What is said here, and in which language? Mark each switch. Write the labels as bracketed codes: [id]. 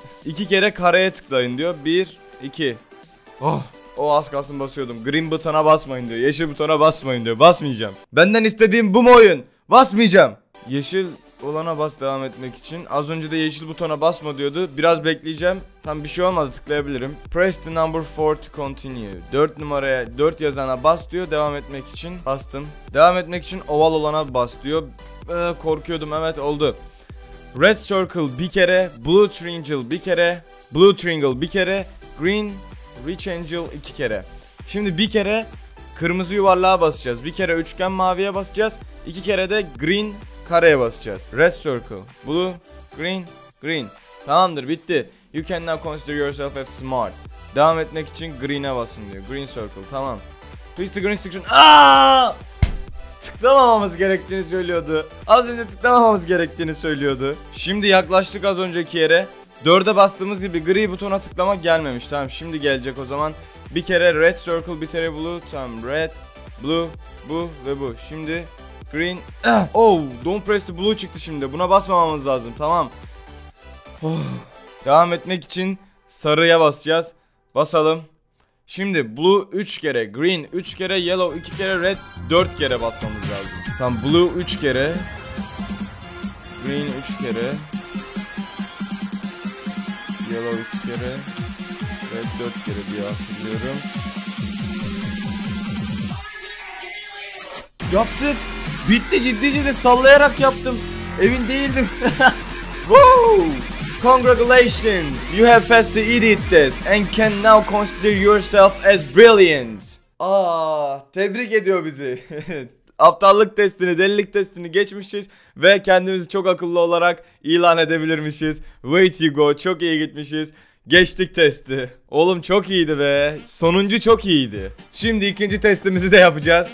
[tr] İki kere kareye tıklayın diyor. Bir, iki. Az kalsın basıyordum. Green butona basmayın diyor. Yeşil butona basmayın diyor. Basmayacağım. Benden istediğim bu mu oyun? Basmayacağım. Yeşil olana bas devam etmek için. Az önce de yeşil butona basma diyordu. Biraz bekleyeceğim. Tam bir şey olmadı, tıklayabilirim. [en] Press the number 4 to continue. [tr] 4 numaraya, 4 yazana bas diyor devam etmek için. Bastım. Devam etmek için oval olana bas diyor. Korkuyordum. Evet, oldu. Red circle bir kere, blue triangle bir kere, blue triangle bir kere, green rectangle iki kere. Şimdi bir kere kırmızı yuvarlığa basacağız. Bir kere üçgen maviye basacağız. İki kere de green kareye basacağız. [en] Red circle, blue, green, green. Tamamdır, bitti. You can now consider yourself as smart. [tr] Devam etmek için green'e basın diyor. Green circle, tamam. [en] Please the green screen. [tr] Tıklamamamız gerektiğini söylüyordu. Az önce tıklamamamız gerektiğini söylüyordu. Şimdi yaklaştık az önceki yere. 4'e bastığımız gibi gri butona tıklama gelmemiş. Tamam, şimdi gelecek o zaman. Bir kere red circle, bir kere blue. Tamam, red, blue, bu ve bu. Şimdi green. [en] Don't press the blue [tr] çıktı şimdi. Buna basmamamız lazım. Tamam. Devam etmek için sarıya basacağız. Basalım. Şimdi blue 3 kere, green 3 kere, yellow 2 kere, red 4 kere basmamız lazım. Tamam, blue 3 kere, Green 3 kere. Yellow 2 kere. Red 4 kere diye hatırlıyorum. Yaptık. Bitti, ciddi ciddi sallayarak yaptım. Emin değildim. Woo! Congratulations! [en] You have passed the idiot test and can now consider yourself as brilliant. [tr] Tebrik ediyor bizi. Aptallık testini, delilik testini geçmişiz ve kendimizi çok akıllı olarak ilan edebilirmişiz. [en] Way to go, [tr] çok iyi gitmişiz. Geçtik testi. Oğlum çok iyiydi be. Sonuncu çok iyiydi. Şimdi ikinci testimizi de yapacağız.